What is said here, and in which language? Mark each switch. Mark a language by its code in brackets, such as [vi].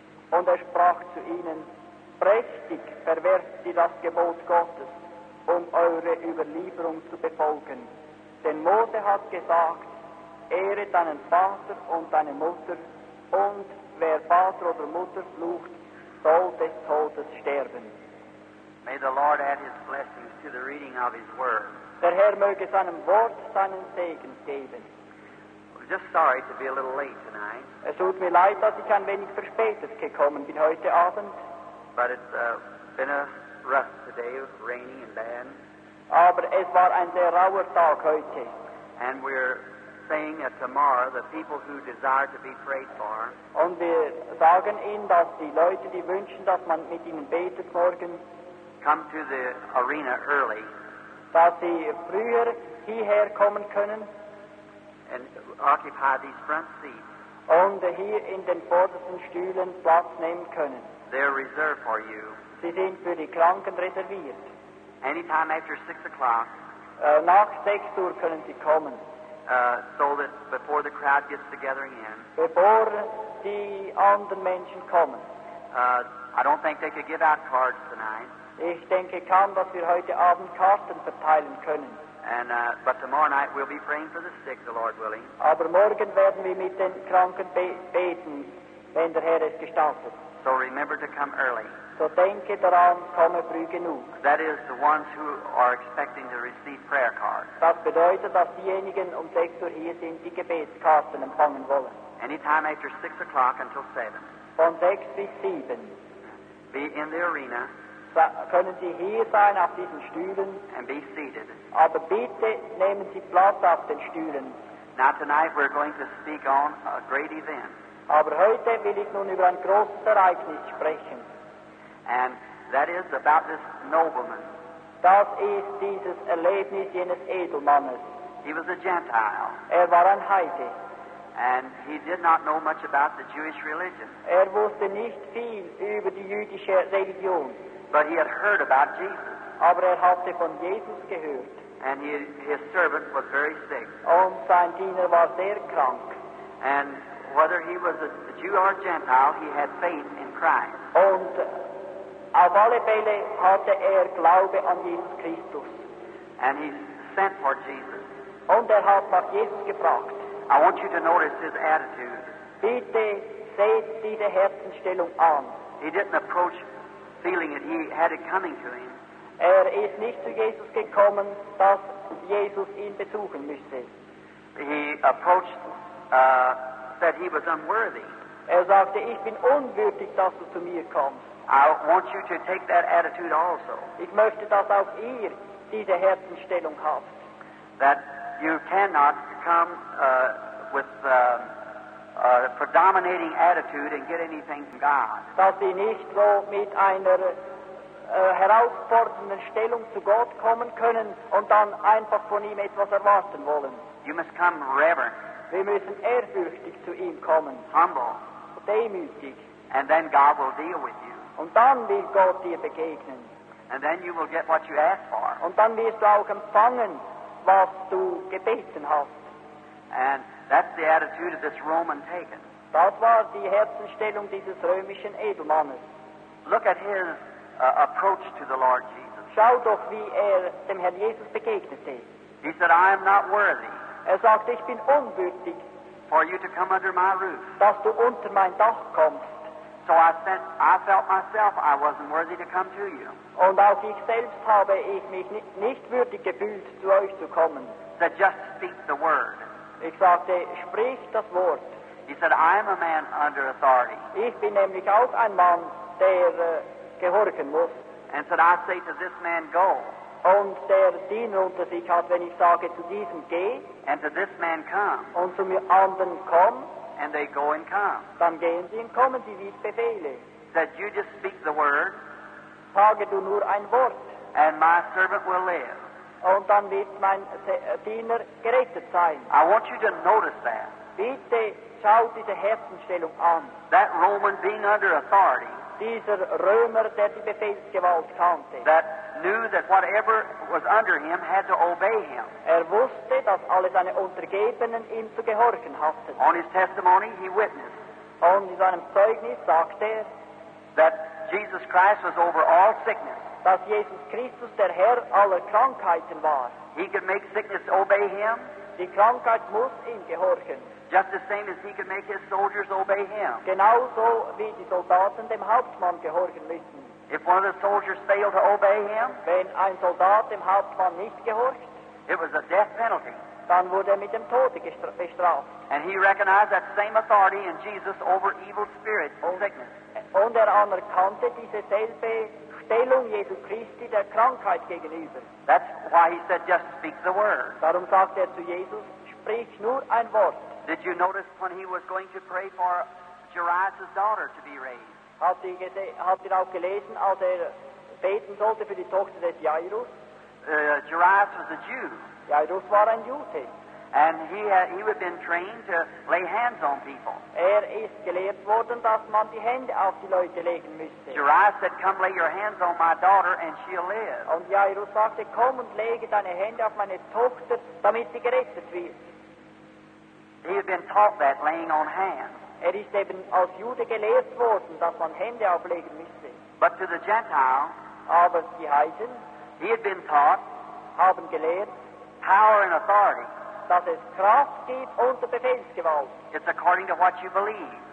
[de] Und er sprach zu ihnen, prächtig verwerft sie das Gebot Gottes, um eure Überlieferung zu befolgen. Denn Mose hat gesagt, ehre deinen Vater und deine Mutter, und wer Vater oder Mutter flucht, soll des Todes sterben. [en] May the Lord add his blessings to the reading of his word. [de] Der Herr möge seinem Wort seinen Segen geben. [en] I'm just sorry to be a little late tonight. [de] Es tut mir leid, dass ich ein wenig verspätet gekommen bin heute Abend. [en] But it's been a rough today, rainy and bad. [de] Aber es war ein sehr rauer Tag heute. [en] And we're saying that tomorrow the people who desire to be prayed for. [de] Und wir sagen ihnen, dass die Leute, die wünschen, dass man mit ihnen betet morgen. [en] Come to the arena early. [de] Dass sie früher hierher kommen können. [en] And occupy these front seats. [de] Und hier in den vordersten Stühlen Platz nehmen können. [en] They're reserved for you. [de] Sie sind für die Kranken reserviert. [en] Anytime after 6 o'clock. [de] Nach 6 Uhr können sie kommen. [en] So that before the crowd gets the gathering in. [de] Bevor die anderen Menschen kommen. [en] I don't think they could give out cards tonight. [de] Ich denke kaum, dass wir heute Abend Karten verteilen können. [en] But tomorrow night we'll be praying for the sick, the Lord willing. [de] Aber morgen werden wir mit den Kranken beten, wenn der Herr es gestattet. [en] So remember to come early. [de] So denke daran, komme früh genug. [en] That is the ones who are expecting to receive prayer cards. [de] Das bedeutet, dass diejenigen um 6 Uhr hier sind, die Gebetskarten empfangen wollen. [en] Anytime after 6 o'clock until 7. [de] Von 6 bis 7. [en] Be in the arena. [de] Können Sie hier sein auf diesen Stühlen? [en] And be seated. [de] Aber bitte nehmen Sie Platz auf den Stühlen. [en] Now tonight we're going to speak on a great event. [de] Aber heute will ich nun über ein großes Ereignis sprechen. [en] And that is about this nobleman. [de] Das ist dieses Erlebnis jenes Edelmannes. [en] He was a Gentile. [de] Er war ein Heide. [en] And he did not know much about the Jewish religion. [de] Er wusste nicht viel über die jüdische Religion. [en] But he had heard about Jesus. [de] Aber er hatte von Jesus gehört. [en] And his servant was very sick. [de] Und sein Diener war sehr krank. [en] And whether he was a Jew or a Gentile, he had faith in Christ. [de] Und auf alle Fälle hatte er Glaube an Jesus Christus. [en] And he sent for Jesus. [de] Und er hat nach Jesus gefragt. [en] I want you to notice his attitude. [de] Bitte seht diese Herzenstellung an. [en] He didn't approach feeling that he had it coming to him. [de] Er ist nicht zu Jesus gekommen, dass Jesus ihn besuchen müsste. [en] He approached, said he was unworthy. [de] Er sagte, ich bin unwürdig, dass du zu mir kommst. [en] I want you to take that attitude also. [de] Ich möchte, dass auch ihr diese Herzenstellung habt. [en] That you cannot come with a predominating attitude and get anything from God. [de] Dass sie nicht so mit einer herausfordernden Stellung zu Gott kommen können und dann einfach von ihm etwas erwarten wollen. [en] You must come reverent. [de] Wir müssen ehrfürchtig zu ihm kommen. [en] Humble. [de] Demütig. [en] And then God will deal with you. [de] Und dann wird Gott dir begegnen. [en] And then you will get what you asked for. [de] Und dann wirst du auch empfangen, was du gebeten hast. [en] And that's the attitude of this Roman pagan. [de] Das war die Herzenstellung dieses römischen Edelmannes. [en] Look at his approach to the Lord Jesus. [de] Schau doch, wie er dem Herrn Jesus begegnete. [en] He said, I am not worthy. [de] Er sagte, ich bin unwürdig. [en] For you to come under my roof. [de] Dass du unter mein Dach kommst. [en] So I felt myself I wasn't worthy to come to you. [de] Und auch ich selbst habe ich mich nicht würdig gefühlt, zu euch zu kommen. [en] So just speak the word. [de] Ich sagte, sprich das Wort. [en] He said, I am a man under authority. [de] Ich bin nämlich auch ein Mann, der gehorchen muss. [en] And said, I say to this man, go. [de] Und der Diener unter sich hat, wenn ich sage, zu diesem geh. [en] And to this man, come. [de] Und zu mir anderen komm. [en] And they go and come. [de] Dann gehen sie und kommen sie, wie ich befehle. [en] Said, you just speak the word. [de] Sage du nur ein Wort. [en] And my servant will live. [de] Und dann wird mein Diener gerettet sein. [en] I want you to notice that. [de] Bitte schau diese Herzenstellung an. [en] That Roman being under authority. [de] Dieser Römer, der die Befehlsgewalt kannte. [en] That knew that whatever was under him had to obey him. [de] Er wusste, dass alle seine Untergebenen ihm zu gehorchen hatten. [en] On his testimony, he witnessed. [de] Und in seinem Zeugnis sagte er, [en] that Jesus Christ was over all sickness. [de] Dass Jesus Christus der Herr aller Krankheiten war. [en] He could make sickness obey him. [de] Die Krankheit muss ihm gehorchen. [en] Just the same as he could make his soldiers obey him. [de] Genauso wie die Soldaten dem Hauptmann gehorchen müssen. [en] If one of the soldiers failed to obey him, [de] wenn ein Soldat dem Hauptmann nicht gehorcht, [en] it was a death penalty. [de] Dann wurde er mit dem Tode bestraft. [en] And he recognized that same authority in Jesus over evil spirits and sickness. [de] Und er anerkannte diese selbe Stellung Jesu Christi der Krankheit gegenüber. [en] That's why he said, just speak the word. [de] Darum sagte er zu Jesus, sprich nur ein Wort. [en] Did you notice when he was going to pray for Jairus' daughter to be raised? [de] Habt ihr auch gelesen, als er beten sollte für die Tochter des Jairus? [en] Jairus was a Jew. [de] Jairus war ein Jude. [en] And he had been trained to lay hands on people. [de] Er ist gelehrt worden, dass man die Hände auf die Leute legen müsste. [en] Jairus said, come lay your hands on my daughter and she'll live. [de] Und Jairus sagte, komm und lege deine Hände auf meine Tochter, damit sie gerettet wird. [en] He had been taught that, laying on hands. [de] Er ist eben als Jude gelehrt worden, dass man Hände auflegen müsste. [en] But to the Gentile, [de] aber die Heiden, [en] he had been taught, [de] haben gelehrt, [en] power and authority, [de] dass es Kraft gibt unter Befehlsgewalt. [en] It's according to what you believe.